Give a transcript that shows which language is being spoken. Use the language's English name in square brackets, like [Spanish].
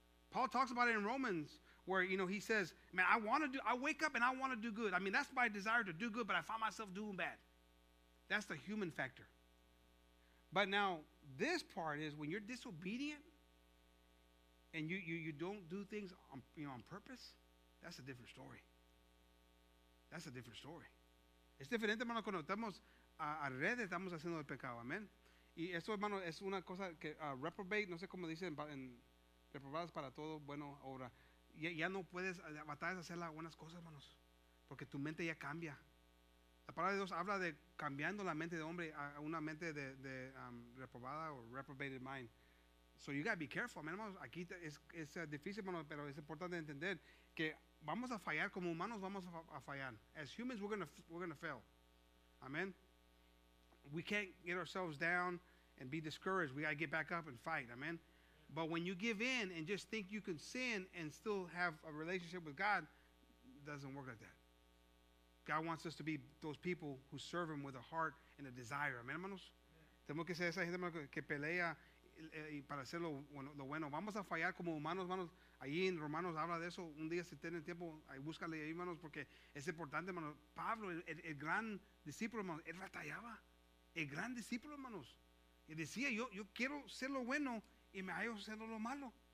[English] Paul talks about it in Romans, where, you know, he says, man, I wake up and I want to do good. I mean, that's my desire to do good, but I find myself doing bad. That's the human factor. But now, this part is when you're disobedient and you don't do things on purpose, that's a different story. That's a different story. [Spanish] Es diferente, hermano, cuando estamos alrededor, estamos haciendo el pecado. Amén. Y eso, hermano, es una cosa que reprobate, no sé cómo dicen en reprobadas para todo, bueno, ahora. Ya no puedes batallar a hacer las buenas cosas, hermanos, porque tu mente ya cambia. La palabra de Dios habla de cambiando la mente de hombre a una mente de reprobada o [English] reprobated mind. So you got to be careful, [Spanish] hermanos. Aquí es difícil, hermanos, pero es importante entender que vamos a fallar como humanos, vamos a fallar. [English] As humans, we're gonna fail. Amen. We can't get ourselves down and be discouraged. We got to get back up and fight. Amen. But when you give in and just think you can sin and still have a relationship with God, it doesn't work like that. God wants us to be those people who serve him with a heart and a desire. Amen, [Spanish] hermanos? Tenemos que ser esa gente, hermanos, que pelea para hacer lo bueno. Vamos a fallar como humanos, hermanos. Allí en Romanos habla de eso. Un día, si tienen tiempo, búscale ahí, hermanos, porque es importante, hermanos. Pablo, el gran discípulo, hermanos, él batallaba. El gran discípulo, hermanos. Y decía, yo quiero ser lo bueno, y me hallo siendo lo malo.